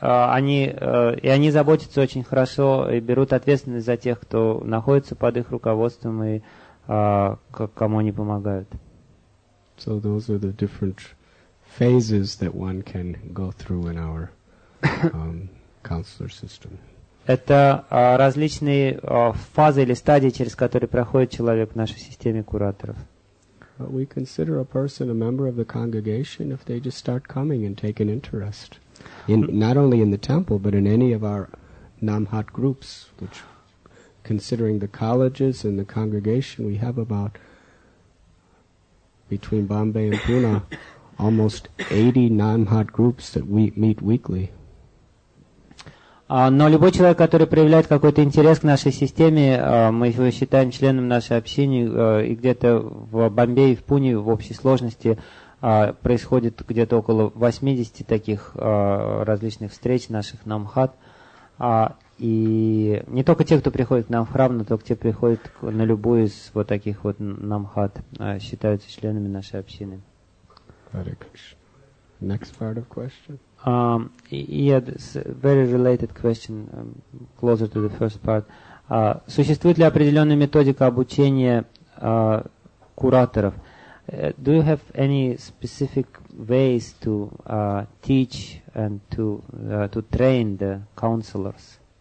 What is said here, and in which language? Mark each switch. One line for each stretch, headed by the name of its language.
Russian: Если они заботятся очень хорошо и берут ответственность за тех, кто находится под их руководством и кому они помогают.
English: So those are the different phases that one can go through in our counselor system.
Russian: Это различные фазы или стадии, через которые проходит человек в нашей системе кураторов.
English: But we consider a person a member of the congregation if they just start coming and take an interest in not only in the temple, but in any of our Namhat groups, which considering the colleges and the congregation, we have about between Bombay and Pune almost 80 Namhat groups that we meet weekly.
Russian: Но любой человек, который проявляет какой-то интерес к нашей системе, мы его считаем членом нашей общины, и где-то в Бомбее, в Пуне, в общей сложности происходит где-то около 80 таких различных встреч наших намхат. И не только те, кто приходит к нам в храм, но только те, кто приходит на любую из вот таких вот намхат, считаются членами нашей общины.
English: Next part of question. Yeah, very related question, closer to the first part.
Russian: Существует ли определенная методика обучения кураторов?
English: Do you have any specific ways to teach and to train the counselors?